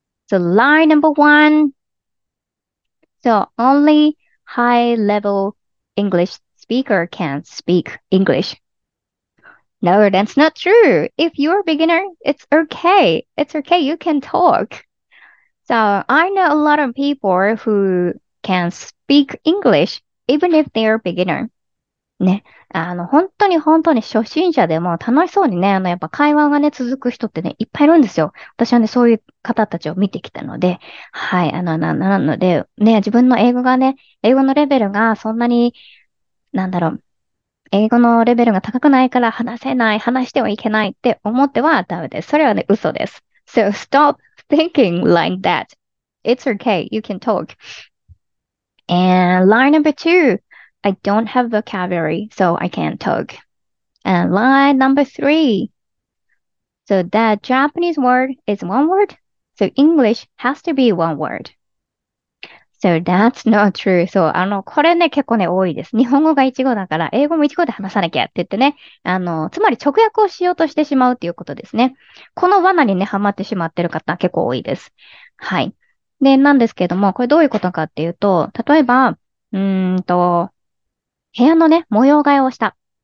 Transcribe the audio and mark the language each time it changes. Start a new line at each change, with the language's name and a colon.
English: So lie number one. So only high-level English speaker can speak English. No, that's not true. If you're a beginner, it's okay. It's okay. You can talk. So I know a lot of people who can speak English even if they're a beginner.
Japanese: ね。本当に初心者でも楽しそうにね、やっぱ会話がね、続く人ってね、いっぱいいるんですよ。私はね、そういう方たちを見てきたので、はい、なので、ね、自分の英語がね、英語のレベルがそんなに、英語のレベルが高くないから話せない、話してはいけないって思ってはダメです。それはね、嘘です。
English: So stop thinking like that. It's okay. You can talk. And line number two. I don't have vocabulary, so I can't talk. And lie number three. So that Japanese word is one word, so English has to be one word. So that's not true.
Japanese: So, これね、結構ね、多いです。日本語が一語だから、英語も一語で話さなきゃって言ってね、つまり直訳をしようとしてしまうっていうことですね。この罠にね、ハマってしまってる方結構多いです。はい。で、なんですけども、これどういうことかっていうと、例えば、部屋のね、模様替えをした。